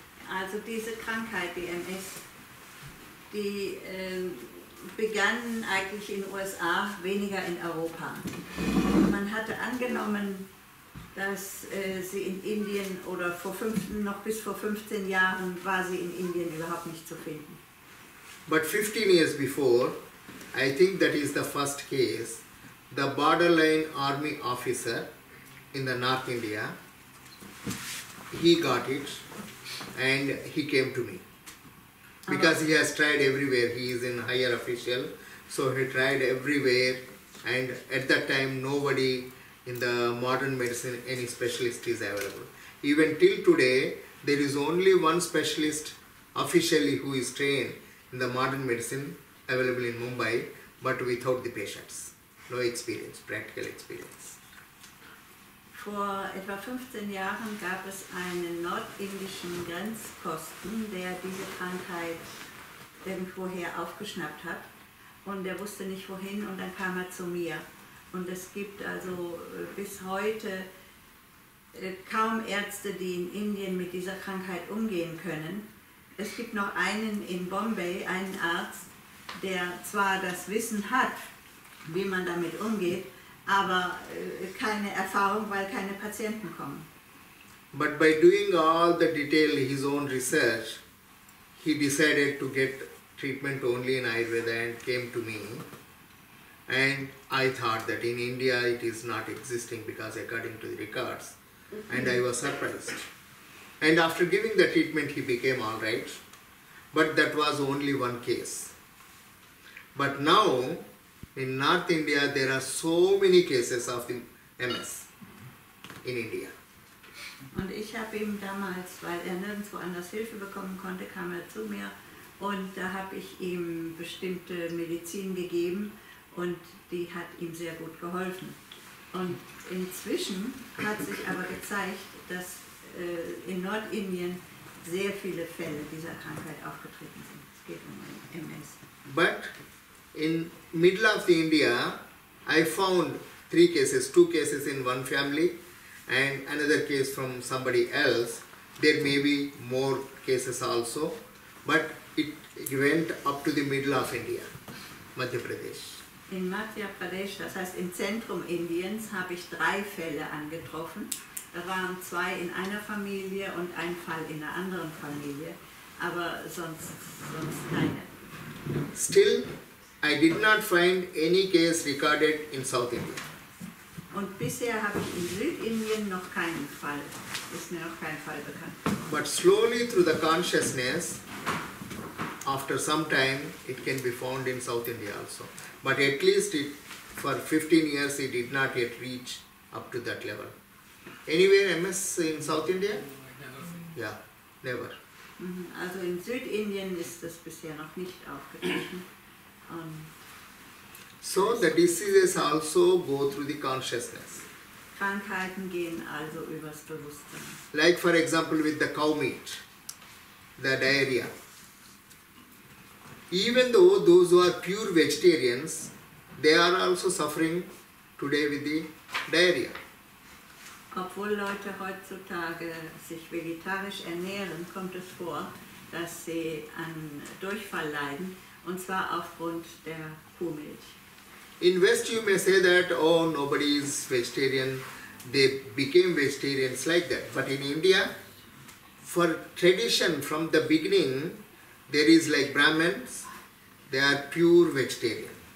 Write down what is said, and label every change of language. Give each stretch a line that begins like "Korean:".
German: also diese Krankheit, die MS, die begann eigentlich in USA, weniger in Europa. Man hatte angenommen, dass sie in Indien oder bis vor 15 Jahren war sie in Indien überhaupt nicht zu finden.
English: But 15 years before, I think that is the first case, the borderline army officer in the North India, he got it and he came to me. Because he has tried everywhere, he is in higher official, so he tried everywhere and at that time nobody in the modern medicine, any specialist is available. Even till today, there is only one specialist officially who is trained in the modern medicine available in Mumbai, but without the patients, no experience, practical experience.
German: Vor etwa 15 Jahren gab es einen nordindischen Grenzposten, der diese Krankheit irgendwoher aufgeschnappt hat und er wusste nicht wohin und dann kam er zu mir. Und es gibt also bis heute kaum Ärzte, die in Indien mit dieser Krankheit umgehen können. Es gibt noch einen in Bombay, einen Arzt, der zwar das Wissen hat, wie man damit umgeht, aber keine Erfahrung, weil keine Patienten kommen.
English: But by doing all the detail, his own research, he decided to get treatment only in Ayurveda and came to me. And I thought that in India it is not existing because according to the records. And I was surprised. And after giving the treatment he became alright. But that was only one case. But now in North India there are so many cases of the MS in India.
German: Und ich habe ihm damals, weil er nirgendwo anders Hilfe bekommen konnte, kam er zu mir Und da habe ich ihm bestimmte Medizin gegeben und die hat ihm sehr gut geholfen. Und inzwischen hat sich aber gezeigt, dass in Nordindien sehr viele Fälle dieser Krankheit aufgetreten sind. Es geht um MS.
English: But in middle of India, I found two cases in one family and another case from somebody else. There may be more cases also, but it went up to the middle of India, Madhya Pradesh.
German: In Madhya Pradesh, das heißt im Zentrum Indiens, habe ich 3 Fälle angetroffen. Da waren 2 in einer Familie und 1 Fall in der anderen Familie, aber sonst keine.
English: Still, I did not find any case recorded in South India.
German: Und bisher habe ich in Südindien noch keinen Fall, ist mir noch kein Fall bekannt.
English: But slowly through the consciousness, after some time, it can be found in South India also. But at least it, for 15 years, it did not yet reach up to that level. Anywhere MS in South India? Never. Yeah, never.
German: Also in Südindien ist das bisher noch nicht aufgetreten.
English: So the diseases also go through the consciousness.
German: Krankheiten gehen also übers Bewusstsein.
English: Like for example with the cow meat, the diarrhea. Even though those who are pure vegetarians, they are also suffering today with the diarrhea.
German: Obwohl Leute heutzutage sich vegetarisch ernähren, kommt es vor, dass sie an Durchfall leiden, und zwar aufgrund der Kuhmilch.
English: In West you may say that, oh, nobody is vegetarian, they became vegetarians like that. But in India, for tradition from the beginning, there is like Brahmins, they are pure vegetarian.